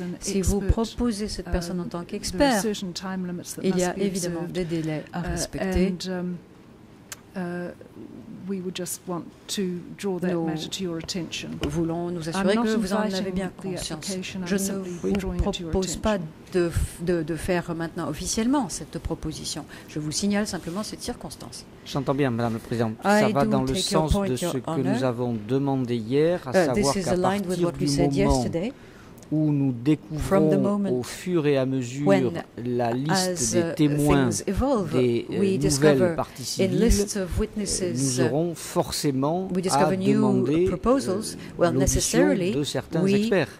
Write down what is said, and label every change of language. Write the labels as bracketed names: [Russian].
[French] Si vous proposez cette personne en tant qu'expert, il y a évidemment des délais à respecter. [English] We would just want to draw that matter to your attention. [French] Nous voulons nous assurer que vous en avez bien conscience. Je ne vous propose pas de faire maintenant officiellement cette proposition. Je vous signale simplement cette circonstance. J'entends bien, Madame la Présidente. Ça va dans le sens de ce que nous avons demandé hier, à savoir qu'à partir du moment où nous découvrons au fur et à mesure la liste des témoins des nouvelles parties civiles, nous aurons forcément à demander l'audition de certains experts.